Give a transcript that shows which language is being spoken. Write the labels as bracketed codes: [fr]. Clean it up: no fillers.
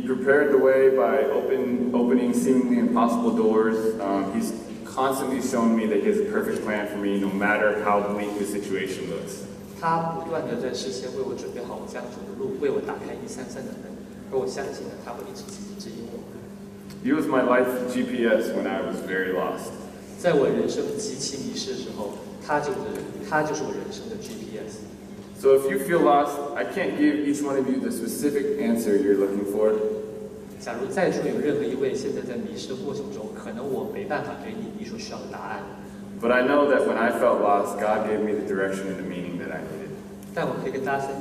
[en] prepared the way by opening seemingly impossible doors. He's constantly shown me that he has a perfect plan for me, no matter how bleak the situation looks. [zh] 他不断地在事先为我准备好将来的路，为我打开一扇扇的门，而我相信呢，他会一直指引我。 [en] He was my life GPS when I was very lost. [zh] 在我人生极其迷失的时候，他就是我人生的GPS。 [en] So if you feel lost, I can't give each one of you the specific answer you're looking for. [zh] 假如在座有任何一位现在在迷失的过程中，可能我没办法给你你所需要的答案。 [en] But I know that when I felt lost, God gave me the direction and the meaning that I needed.